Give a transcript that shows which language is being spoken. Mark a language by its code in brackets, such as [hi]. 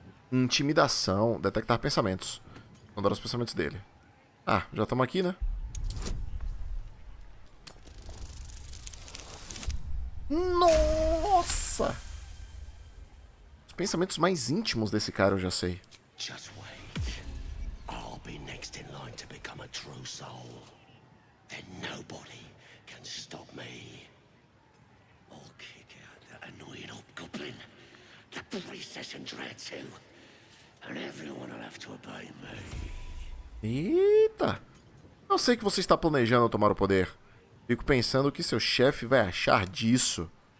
[pt] Intimidação. Detectar pensamentos. Mandar os pensamentos dele. Ah, já estamos aqui, né? Nossa! Os pensamentos mais íntimos desse cara eu já sei. [en] Just wait. I'll be next in line to become a true soul. Then nobody can stop me. I'll kick out that annoying old goblin. The priestess and dread too. And everyone will have to obey me. [pt] Eita! Eu sei que você está planejando tomar o poder. Fico pensando o que seu chefe vai achar disso.